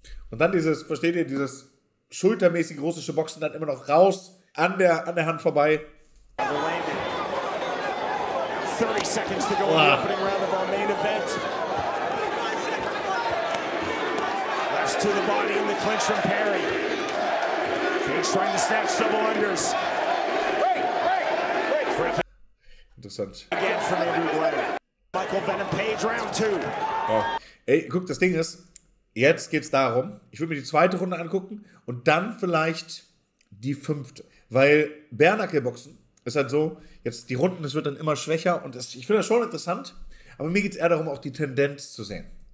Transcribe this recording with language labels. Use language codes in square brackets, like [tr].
[de] Und dann dieses, versteht ihr, dieses schultermäßig russische Boxen dann immer noch raus an der Hand vorbei. [en] 30 seconds to go in the opening round of our main event. Left to the body in the clinch from Perry. Page trying to snatch double unders. [de] Interessant. [en] Again from Andrew Glenn. Michael Venom Page, round two. Oh. [de] Ey, guck, das Ding ist, jetzt geht's darum, ich will mir die zweite Runde angucken und dann vielleicht die fünfte. Weil Bare-Knuckle-Boxen ist halt so, jetzt die Runden, es wird dann immer schwächer und das, ich finde das schon interessant, aber mir geht es eher darum, auch die Tendenz zu sehen.